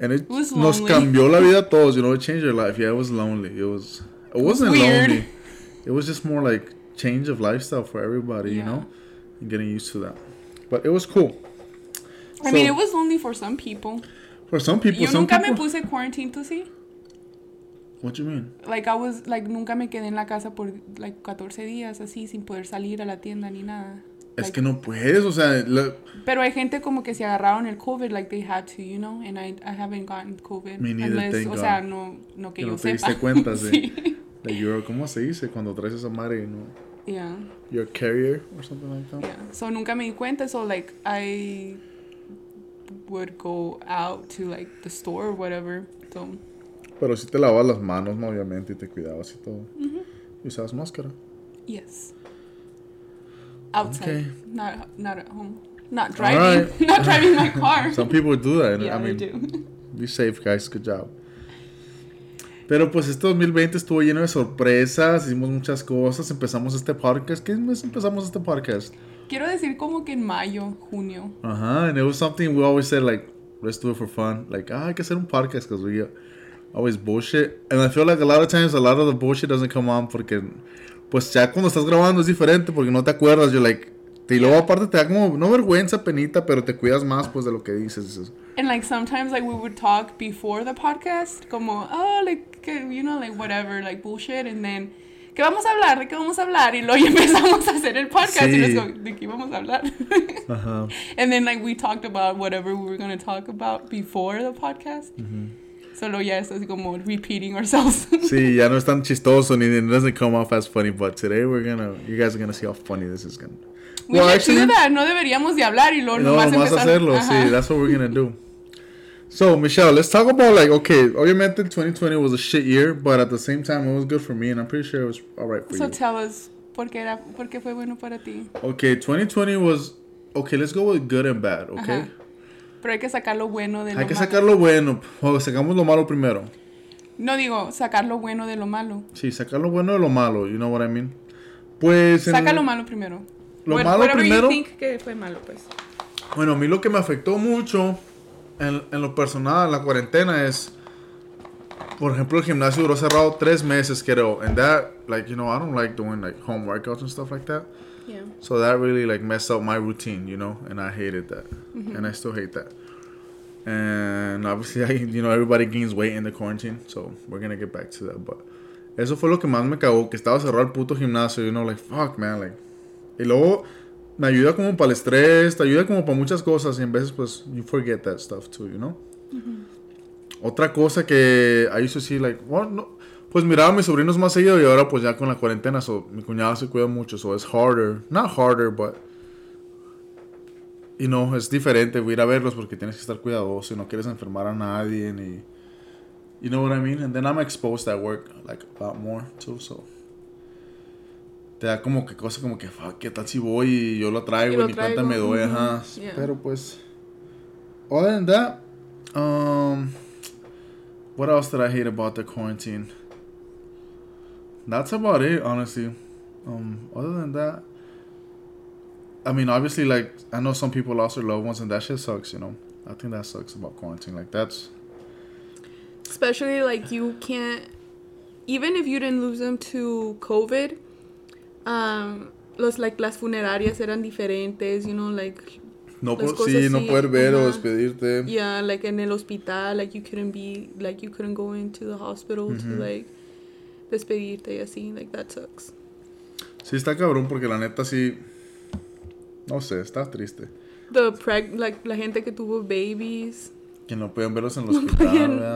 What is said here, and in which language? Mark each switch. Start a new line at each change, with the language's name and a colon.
English: And it was
Spanish: nos cambió la vida a todos,
English: you know, it changed your life. Yeah, it was lonely. It wasn't weird, lonely. It was just more like change of lifestyle for everybody, yeah. You know, and getting used to that. But it was cool. I mean, it was lonely for some people. For some people,
Spanish: yo nunca me puse quarantine, tú sí.
English: What do you mean? Like I was like nunca me quedé en la casa por like 14 días así sin poder salir a la tienda ni nada.
Spanish: Es que no puedes, o sea. Pero hay gente como que se agarraron el COVID,
English: like they had to, you know, and I haven't gotten COVID. Me neither, unless, thank
Spanish: o
English: God.
Spanish: Sea, no que yo sepa. Te diste cuenta, sí. ¿Cómo se dice cuando traes esa madre, no?
English: Yeah. Your carrier or something like that. Yeah. So
Spanish: nunca me di cuenta.
English: So like I would go out to like the store or whatever. So.
Spanish: Pero si te lavabas las manos, obviamente, y te cuidabas y todo. Mm-hmm. ¿Usabas máscara?
English: Yes. Outside. Okay. Not at home. Not driving. All right. Not driving my car. Some people do that. Yeah, I mean, they do. Be safe, guys. Good job.
Spanish: Pero pues este 2020 estuvo lleno de sorpresas, hicimos muchas cosas, empezamos este podcast. ¿Qué mes empezamos este podcast? Quiero decir como que en mayo, junio.
English: Ajá, and it was something we always said, like, let's do it for fun. Like, ah,
Spanish: hay que hacer un podcast,
English: because we always bullshit. And I feel like a lot of times, a lot of the bullshit doesn't come on,
Spanish: porque, pues ya cuando estás grabando es diferente, porque no te acuerdas.
English: You're like,
Spanish: y luego aparte te da como, no vergüenza, penita, pero te cuidas más, pues, de lo que dices.
English: And, like, sometimes, like, we would talk before the podcast, como, oh, like, you know, like, whatever, like, bullshit, and then,
Spanish: ¿qué vamos a hablar? ¿De qué vamos a hablar? Y luego ya empezamos a hacer el podcast, sí. Y nos go, ¿de qué vamos a hablar? Uh-huh.
English: And then, like, we talked about whatever we were going to talk about before the podcast. Mm-hmm.
Spanish: Solo ya es así como
English: repeating ourselves.
Spanish: Sí, ya no es tan chistoso, ni
English: it doesn't come off as funny, but today we're going to, you guys are going to see how funny this is going to be. Well, actually,
Spanish: no deberíamos de hablar y luego nomás empezar. No, vamos a hacerlo, sí,
English: that's what we're gonna do. So, Michelle, let's talk about, like, okay, obviamente 2020 was a shit year, but at the same time, it was good for me, and I'm pretty sure it was alright for you. So, tell us,
Spanish: ¿por qué fue bueno para ti?
English: Okay, 2020 was, okay, let's go with good and bad, okay? Ajá.
Spanish: Pero hay que sacar lo bueno de lo malo. Hay que sacar lo bueno, o sacamos lo malo primero. No digo, sacar lo bueno de lo malo. Sí, sacar lo bueno de lo malo,
English: you know what I mean?
Spanish: Pues, saca lo malo primero. Lo bueno, malo primero. Think que fue malo, pues. Bueno, a mí lo que me afectó mucho en lo personal, la cuarentena, es, por ejemplo, el gimnasio duró cerrado 3 meses, creo.
English: And that, like, you know, I don't like doing, like, home workouts and stuff like that. Yeah. So that really, like, messed up my routine, you know, and I hated that. Mm-hmm. And I still hate that. And obviously, you know, everybody gains weight in the quarantine, so we're gonna get back to that.
Spanish: But eso fue lo que más me cagó, que estaba cerrado el puto gimnasio,
English: you know, like, fuck, man, like.
Spanish: Y luego, me ayuda como para el estrés, te ayuda como para muchas cosas. Y en veces, pues,
English: you forget that stuff too, you know? Mm-hmm.
Spanish: Otra cosa que
English: I used to see, like, well, no.
Spanish: Pues miraba a mis sobrinos más seguido y ahora, pues, ya con la cuarentena, so, mi cuñada se cuida mucho.
English: So, it's harder. Not harder, but, you know,
Spanish: es diferente ir a verlos porque tienes que estar cuidadoso y no quieres enfermar a nadie.
English: Ni, you know what I mean? And then I'm exposed at work, like, a lot more too, so.
Spanish: Te da como que cosa como que, fuck, ¿qué tal si voy y yo lo traigo y mi cuenta me doy? Ajá.
English: Yeah.
Spanish: Pero pues,
English: other than that, what else did I hate about the quarantine? That's about it, honestly. Other than that, I mean, obviously, like, I know some people lost their loved ones and that shit sucks, you know. I think that sucks about quarantine, like, that's... Especially, like, you can't, even if you didn't lose them to COVID, los, like,
Spanish: las funerarias eran diferentes,
English: you know, like...
Spanish: No, sí, así, no poder ver o despedirte.
English: Yeah, like, en el hospital, like, you couldn't be, like, you couldn't go into the hospital to, like,
Spanish: despedirte y así,
English: like, that sucks.
Spanish: Sí, está cabrón porque la neta sí, no sé, está triste.
English: The preg, like,
Spanish: la gente que tuvo
English: babies.
Spanish: Que no podían verlos en el hospital, ¿verdad?